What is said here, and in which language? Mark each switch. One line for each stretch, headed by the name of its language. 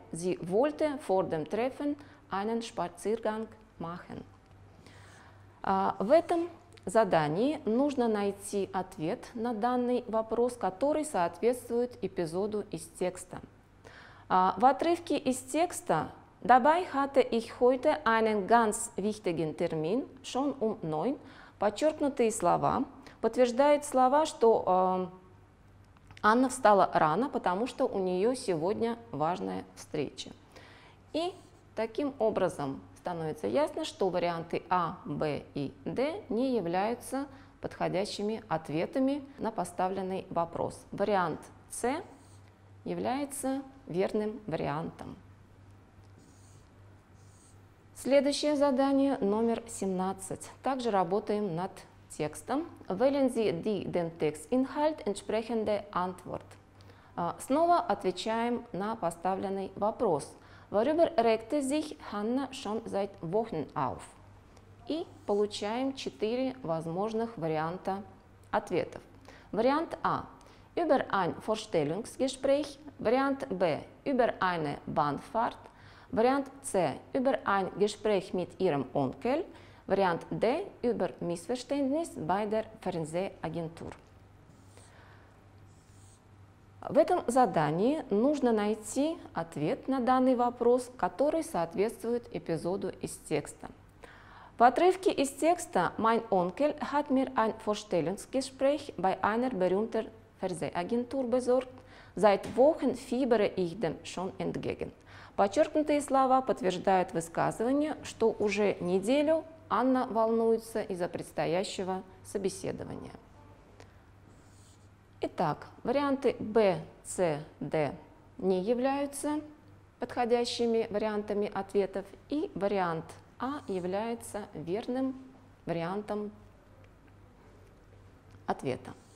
German: Sie wollte vor dem Treffen einen Spaziergang machen.
Russian: В этом задании нужно найти ответ на данный вопрос, который соответствует эпизоду из текста. В отрывке из текста
German: «Dabei hatte ich heute einen ganz wichtigen Termin, schon um 9»
Russian: подчеркнутые слова подтверждают слова, что Анна встала рано, потому что у нее сегодня важная встреча. И таким образом становится ясно, что варианты А, Б и Д не являются подходящими ответами на поставленный вопрос. Вариант С является верным вариантом. Следующее задание номер 17. Также работаем над текстом.
German: Wählen Sie den Textinhalt entsprechende Antwort.
Russian: Снова отвечаем на поставленный вопрос.
German: Worüber regte sich Hanna schon seit Wochen auf?
Russian: И получаем 4 возможных варианта ответов. Вариант А.
German: Über ein Vorstellungsgespräch.
Russian: Вариант Б.
German: Über eine Bahnfahrt.
Russian: Вариант С.
German: Über ein Gespräch mit ihrem Onkel.
Russian: Вариант Д.
German: Über Missverständnis bei der Fernsehagentur.
Russian: В этом задании нужно найти ответ на данный вопрос, который соответствует эпизоду из текста. В отрывке из текста
German: «Mein Onkel hat mir ein Vorstellungsgespräch bei einer berühmten Fernsehagentur besorgt. Seit Wochen fiebere ich dem schon entgegen».
Russian: Подчеркнутые слова подтверждают высказывание, что уже неделю Анна волнуется из-за предстоящего собеседования. Итак, варианты Б, С, Д не являются подходящими вариантами ответов, и вариант А является верным вариантом ответа.